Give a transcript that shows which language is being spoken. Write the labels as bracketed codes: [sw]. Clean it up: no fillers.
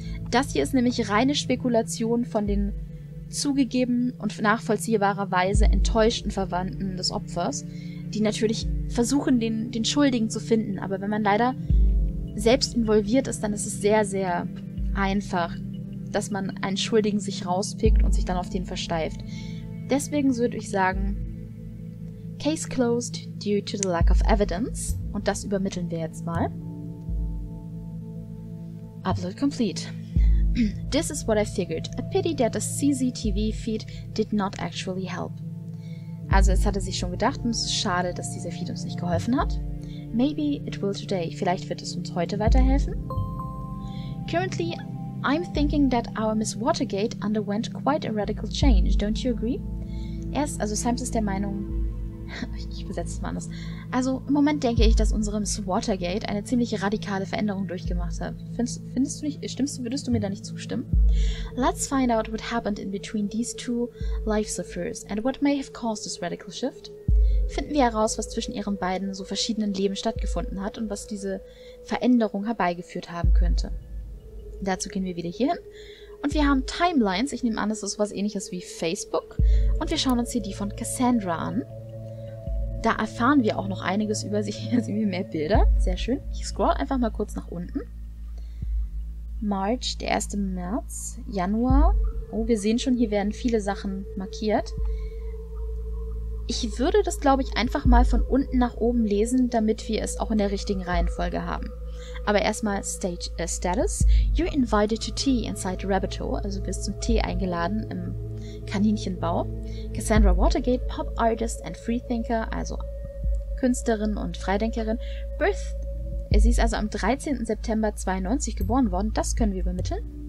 [de] Das hier ist nämlich reine Spekulation von den zugegeben und nachvollziehbarerweise enttäuschten Verwandten des Opfers, die natürlich versuchen, den Schuldigen zu finden. Aber wenn man leider selbst involviert ist, dann ist es sehr, sehr einfach, dass man einen Schuldigen sich rauspickt und sich dann auf den versteift. Deswegen würde ich sagen, [en] Case closed due to the lack of evidence. [de] Und das übermitteln wir jetzt mal. [en] Upload complete. This is what I figured. A pity that the CCTV feed did not actually help. [de] Also es hatte sich schon gedacht und es ist schade, dass dieser Feed uns nicht geholfen hat. [en] Maybe it will today. [de] Vielleicht wird es uns heute weiterhelfen. [en] Currently, I'm thinking that our Miss Watergate underwent quite a radical change. Don't you agree? Yes, [de] also Sims ist der Meinung... Ich übersetze es mal anders. Also im Moment denke ich, dass unsere Miss Watergate eine ziemlich radikale Veränderung durchgemacht hat. Findest du nicht... Stimmst du? Würdest du mir da nicht zustimmen? [en] Let's find out what happened in between these two lives of hers and what may have caused this radical shift. [de] Finden wir heraus, was zwischen ihren beiden so verschiedenen Leben stattgefunden hat und was diese Veränderung herbeigeführt haben könnte. Dazu gehen wir wieder hierhin. Und wir haben Timelines. Ich nehme an, das ist sowas ähnliches wie Facebook. Und wir schauen uns hier die von Cassandra an. Da erfahren wir auch noch einiges über sie. Hier sind mehr Bilder. Sehr schön. Ich scroll einfach mal kurz nach unten. March, der 1. März. Januar. Oh, wir sehen schon, hier werden viele Sachen markiert. Ich würde das, glaube ich, einfach mal von unten nach oben lesen, damit wir es auch in der richtigen Reihenfolge haben. Aber erstmal Status. [en] You're invited to tea inside the rabbit hole. [de] Also du bist zum Tee eingeladen im Kaninchenbau. [en] Cassandra Watergate, Pop Artist and Freethinker, [de] also Künstlerin und Freidenkerin. [en] Birth. [de] Sie ist also am 13. September 92 geboren worden. Das können wir übermitteln.